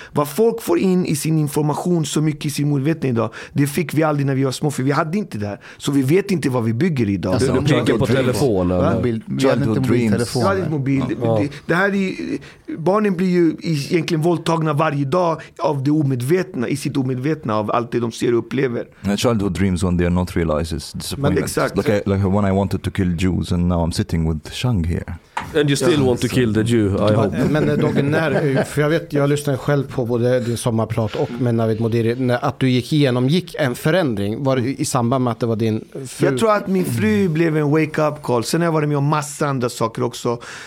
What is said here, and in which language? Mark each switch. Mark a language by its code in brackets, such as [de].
[sv] Vad folk får in i sin information, så mycket i sin omedvetna idag, det fick vi aldrig när vi var små, för vi hade inte det här. Så vi vet inte vad vi bygger idag. Alltså, du pekar på telefonen. Vi hade inte mobiltelefoner. Jag hade inte mobil. Det här är, barnen blir ju egentligen våldtagna varje dag av det omedvetna, i sitt omedvetna, av allt det de ser och upplever. [en] Childhood dreams when they are not realized is disappointment. [sv] Men exakt. [en] Like when I wanted to kill Jews and now I'm sitting with Shang here. And you still want to kill the Jew, I hope. [sv] Men dock, när, för jag vet, jag lyssnade själv på både din sommarprat och med Navid Modiri, att du gick en förändring, var i samband med att det var din fru. Jag tror att min fru blev en wake up call. Sen har jag varit med om massa andra saker också.